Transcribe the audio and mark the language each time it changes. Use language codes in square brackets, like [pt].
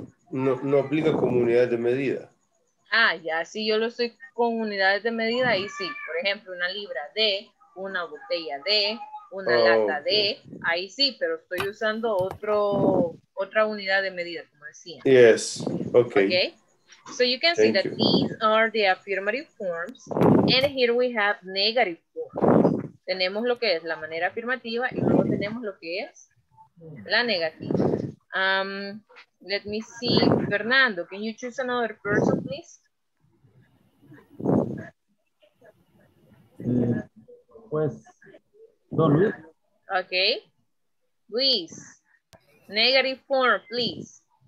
[es] No, no aplica como unidad de medida. Ah, ya, si yo lo estoy con unidades de medida, ahí sí. Por ejemplo, una libra de, una botella de, una lata de, ahí sí, pero estoy usando otro, otra unidad de medida, como decía. [en] Yes, okay. Okay. So you can see that these are the affirmative forms, and here we have negative forms. [es] Tenemos lo que es la manera afirmativa y luego tenemos lo que es la negativa. [en] Let me see, Fernando, can you choose another person, please? [es] Pues, don Luis. [en] Okay. Luis, negative form, please.